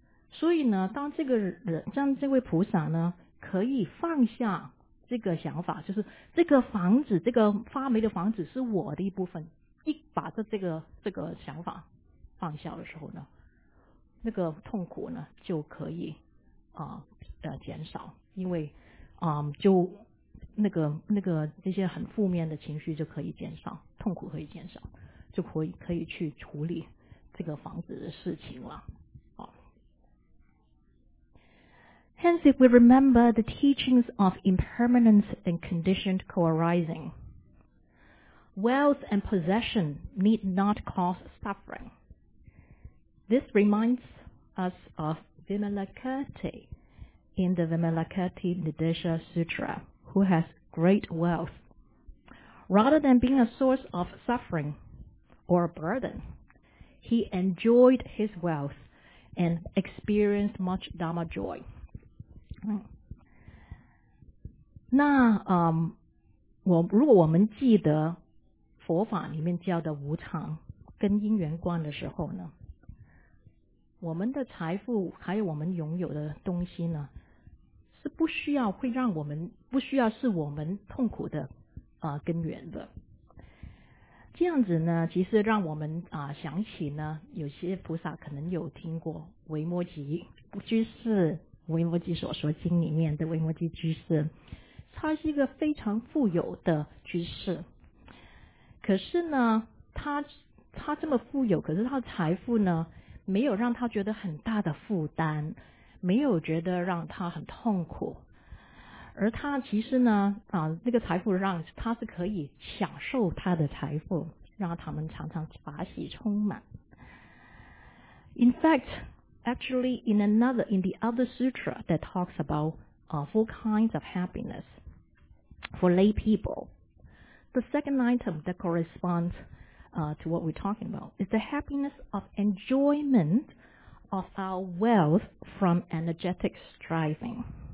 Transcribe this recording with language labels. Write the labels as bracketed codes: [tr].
[zh] 所以呢当这个人像这位菩萨呢可以放下这个想法，就是这个房子这个发霉的房子是我的一部分，一把这个想法放下的时候呢，那个痛苦呢就可以减少，因为就那个这些很负面的情绪就可以减少，痛苦可以减少，就可以去处理这个房子的事情了。 [en] Hence, if we remember the teachings of impermanence and conditioned co-arising, wealth and possession need not cause suffering. This reminds us of Vimalakirti in the Vimalakirti Nidesha Sutra, who has great wealth. Rather than being a source of suffering or a burden, he enjoyed his wealth and experienced much Dharma joy. [zh] 那如果我们记得佛法里面教的无常跟因缘观的时候呢，我们的财富还有我们拥有的东西呢是不需要会让我们不需要是我们痛苦的根源的。这样子呢其实让我们想起呢有些菩萨可能有听过维摩诘居士维摩诘所说经里面的维摩诘居士，他是一个非常富有的居士，可是呢他这么富有，可是他的财富呢没有让他觉得很大的负担，没有觉得让他很痛苦，而他其实呢那个财富让他是可以享受他的财富，让他们常常法喜充满。 [en] In factActually, in the other sutra that talks about four kinds of happiness for lay people, the second item that corresponds to what we're talking about is the happiness of enjoyment of our wealth from energetic striving.